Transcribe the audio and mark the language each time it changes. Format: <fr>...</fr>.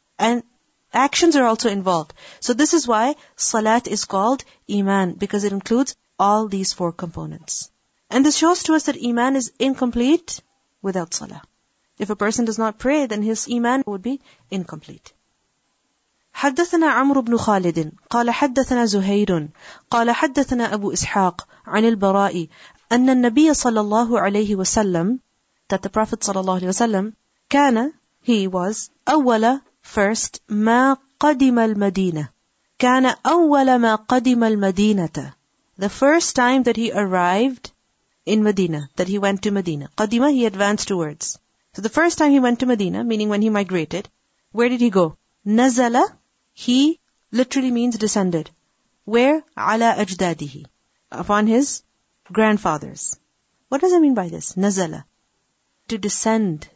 <en>And actions are also involved. So this is why salat is called iman, because it includes all these four components. And this shows to us that iman is incomplete without salah. If a person does not pray, then his iman would be incomplete.</en> <ar>حدثنا عمر بن خالد قال حدثنا زهير قال حدثنا أبو إسحاق عن البراء أن النبي صلى الله عليه وسلم</ar> <en>that the Prophet</en> <ar>صلى الله عليه وسلم كان</ar> <en>he was</en> <ar>أول first ما قدم المدينة كان أول ما قدم المدينة</ar> <en>the first time that he arrived in Medina, that he went to Medina. قدم, he advanced towards. So the first time he went to Medina, meaning when he migrated, where did he go? نزل, he literally means descended. Where?</en> <ar>عَلَىٰ أَجْدَادِهِ,</ar> <en>upon his grandfathers. What does it mean by this? نَزَلَ, to descend.</en>